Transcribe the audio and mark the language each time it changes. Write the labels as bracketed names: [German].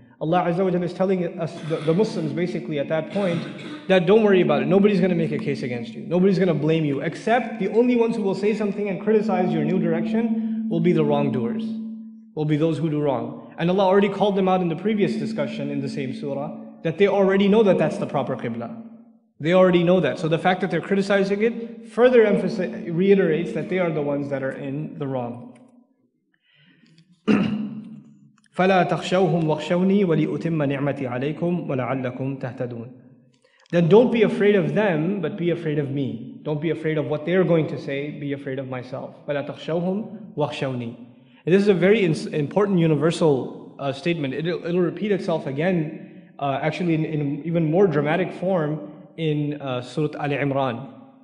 [English] Allah Azza wa Jalla is telling us, the Muslims basically at that point, that don't worry about it, nobody's going to make a case against you, nobody's going to blame you, except the only ones who will say something and criticize your new direction will be the wrongdoers, will be those who do wrong. And Allah already called them out in the previous discussion in the same surah, that they already know that that's the proper Qibla. They already know that. So the fact that they're criticizing it further reiterates that they are the ones that are in the wrong. [Arabic] فلا تخشوهم واخشوني ولأتم نعمتي عليكم ولعلكم تهتدون. [English] Then don't be afraid of them, but be afraid of me. Don't be afraid of what they're going to say, be afraid of myself. [Arabic] فلا تخشوهم واخشوني. [English] This is a very important universal statement. It'll repeat itself again, actually in even more dramatic form in Surah Ali Imran.